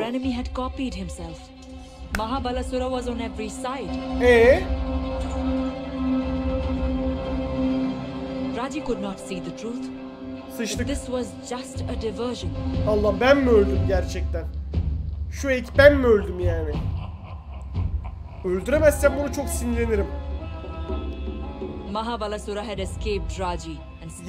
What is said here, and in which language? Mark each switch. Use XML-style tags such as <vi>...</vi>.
<en>Our enemy had copied himself. Mahabalasura was on every side. Raji could not see the truth.</en> <tr>Sıçtık.</tr> <en>This was just a diversion.</en> <tr>Allah, ben mi öldüm gerçekten? Şu ek ben mi öldüm yani? Öldüremezsem bunu çok sinirlenirim.</tr> <en>Mahabalasura had escaped Raji and stood</en>